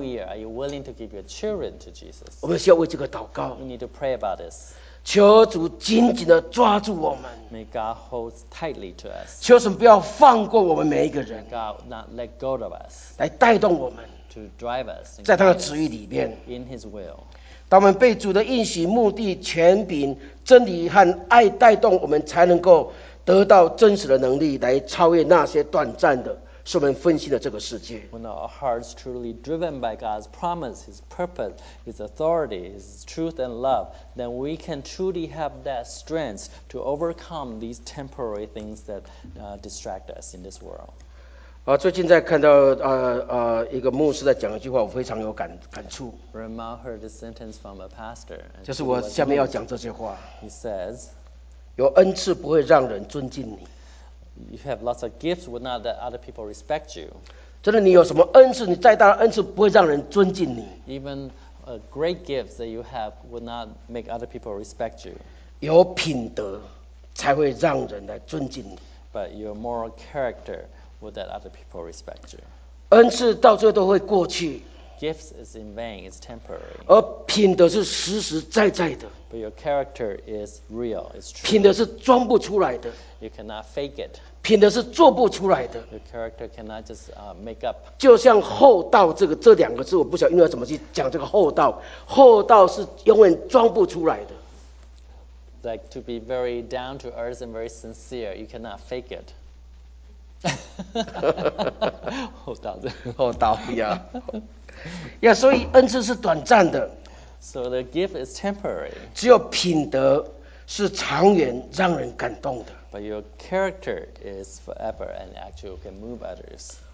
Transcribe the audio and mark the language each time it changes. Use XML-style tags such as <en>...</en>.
<en>？New year, are you willing to give your children to Jesus?</en> <zh>我们需要为这个祷告。</zh> <en>We need to pray about this.</en> <zh>求主紧紧的抓住我们。</zh> <en>May God hold tightly to us.</en> <zh>求神不要放过我们每一个人。</zh> <en>May God not let go of us.</en> <zh>来带动我们。</zh> <en>To drive us.</en> <zh>在他的旨意里面。</zh> <en>In His will.</en> <zh>当我们被主的应许、目的、权柄、真理和爱带动，我们才能够得到真实的能力，来超越那些短暂的、是我们分心的这个世界。</zh> <en>When our hearts truly driven by God's promise, His purpose, His authority, His truth and love, then we can truly have that strength to overcome these temporary things that distract us in this world.</en> <zh>最近在看到一个牧师在讲一句话，我非常有感触。</zh> <en>Rama heard this sentence from a pastor.</en> <zh>就是我下面要讲这些话。</zh> <en>He says,</en> <zh>有恩赐不会让人尊敬你。</zh> <en>You have lots of gifts, would not that other people respect you?</en> <zh>真的，你有什么恩赐？你再大的恩赐不会让人尊敬你。</zh> <en>Even a great gift that you have would not make other people respect you.</en> <zh>有品德才会让人来尊敬你。</zh> <en>But your moral character would that other people respect you?</en> <zh>恩赐到最后都会过去。</zh> <en>Gifts is in vain; it's temporary.</en> <zh>而品德是实实在在的。</zh> <en>But your character is real; it's true.</en> <zh>品德是装不出来的。</zh> <en>You cannot fake it.</en> <zh>品德是做不出来的。</zh> <en>Your character cannot just make up.</en> <zh>就像厚道这两个字，我不晓得应该怎么去讲这个厚道。厚道是永远装不出来的。</zh> <en>Like to be very down to earth and very sincere, you cannot fake it.</en> <zh>厚道的，厚道呀。 Yeah, 所以恩赐是短暂的。</zh> <en>So the gift is temporary.</en> <zh>只有品德是长远让人感动的。</zh> <en>But your character is forever and actually can move others.</en>